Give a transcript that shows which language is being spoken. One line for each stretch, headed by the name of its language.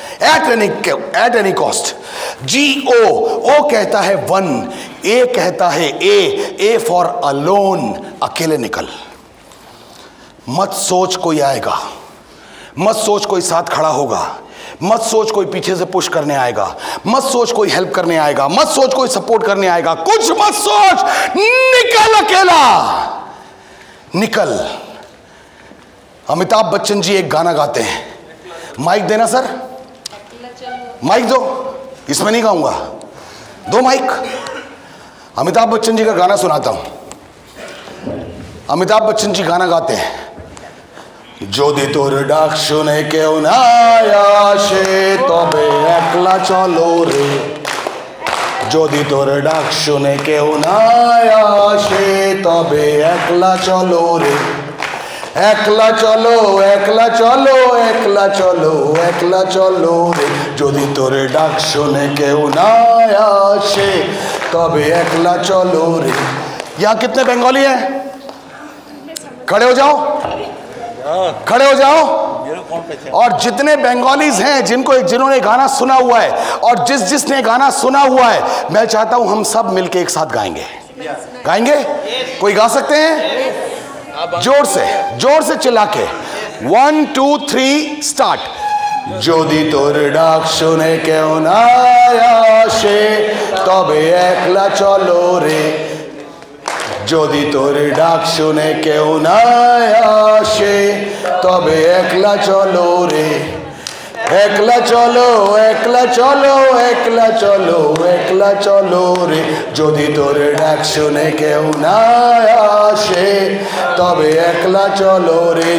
English: At any cost.
Hindi: जी ओ कहता है one, ए कहता है ए फॉर अलोन, अकेले निकल, मत सोच कोई आएगा, मत सोच कोई साथ खड़ा होगा, मत सोच कोई पीछे से पुश करने आएगा, मत सोच कोई हेल्प करने आएगा, मत सोच कोई सपोर्ट करने आएगा, कुछ मत सोच, निकल अकेला निकल। अमिताभ बच्चन जी एक गाना गाते हैं, माइक देना सर, माइक दो, इसमें नहीं गाऊंगा, दो माइक। अमिताभ बच्चन जी का गाना सुनाता हूं। अमिताभ बच्चन जी गाना गाते हैं,
Bangla: যদি তোর ডাক শুনে কেউ না আসে তবে একলা চলো রে, যদি তোর ডাক শুনে কেউ না আসে তবে একলা চলো রে, একলা চলো একলা চলো একলা চলো একলা চলো রে, যদি তোর ডাক শুনে কেউ না আসে তবে একলা চলো রে।
Hindi: ইয়াহ কিতনে বেঙ্গলি হ্যায়, খড়ে হো যাও, खड़े हो जाओ। और जितने बंगालीज हैं जिनको जिन्होंने गाना सुना हुआ है और जिस जिसने गाना सुना हुआ है, मैं चाहता हूं हम सब मिलके एक साथ गाएंगे। गाएंगे, कोई गा सकते हैं? जोर से, जोर से चिल्ला के, 1 2 3 स्टार्ट।
Bangla: যদি তোর ডাক শুনে কেউ না আসে তবে একলা চলো রে, যদি তোর ডাক শুনে কেউ না আসে তবে একলা চলো রে, একলা চলো একলা চলো একলা চলো একলা চলো রে, যদি তোর ডাক শুনে কেউ না আসে তবে একলা চলো রে।